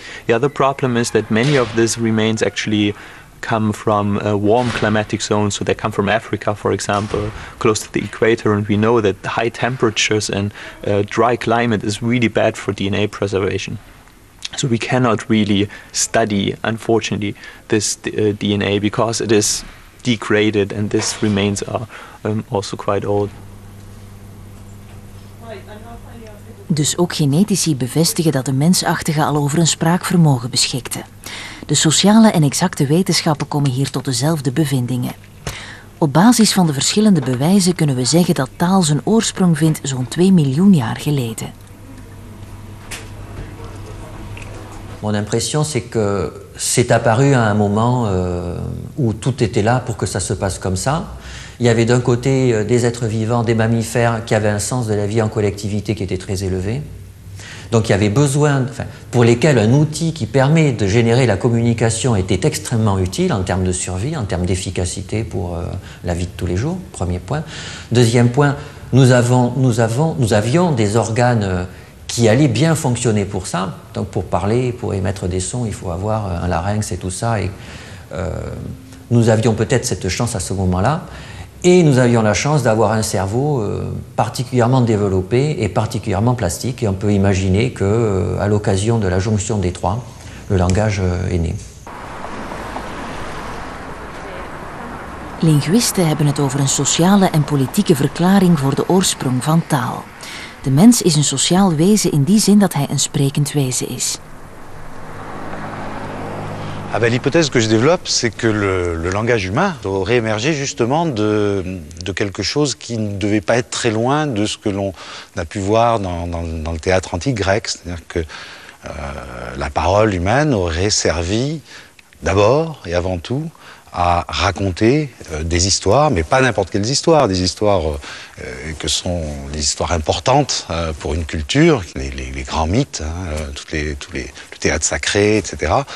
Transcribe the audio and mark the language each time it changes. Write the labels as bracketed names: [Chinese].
[English] The other problem is that many of these remains actually come from warm climatic zones, so they come from Africa, for example, close to the equator, and we know that high temperatures and dry climate is really bad for DNA preservation. So we cannot really study, unfortunately, this DNA because it is degraded and these remains are also quite old. [Dutch] Dus ook genetici bevestigen dat de mensachtigen al over een spraakvermogen beschikten. De sociale en exacte wetenschappen komen hier tot dezelfde bevindingen. Op basis van de verschillende bewijzen kunnen we zeggen dat taal zijn oorsprong vindt zo'n 2 miljoen jaar geleden. [French] Mon impression c'est que c'est apparu à un moment où tout était là pour que ça se passe comme ça. Il y avait d'un côté des êtres vivants, des mammifères qui avaient un sens de la vie en collectivité qui était très élevé. Donc il y avait besoin, pour lesquels un outil qui permet de générer la communication était extrêmement utile en termes de survie, en termes d'efficacité pour la vie de tous les jours, premier point. Deuxième point, nous avions des organes qui allaient bien fonctionner pour ça. Donc pour parler, pour émettre des sons, il faut avoir un larynx et tout ça. Et nous avions peut-être cette chance à ce moment-là. Et nous avions la chance d'avoir un cerveau particulièrement développé et particulièrement plastique. Et on peut imaginer qu'à l'occasion de la jonction des trois, le langage est né. [Dutch] Linguisten hebben het over een sociale en politieke verklaring voor de oorsprong van taal. De mens is een sociaal wezen in die zin dat hij een sprekend wezen is. [French] Ah ben, l'hypothèse que je développe, c'est que le langage humain aurait émergé justement de quelque chose qui ne devait pas être très loin de ce que l'on a pu voir dans le théâtre antique grec. C'est-à-dire que la parole humaine aurait servi d'abord et avant tout à raconter des histoires, mais pas n'importe quelles histoires, des histoires que sont des histoires importantes pour une culture, les grands mythes, hein, le théâtre sacré, etc.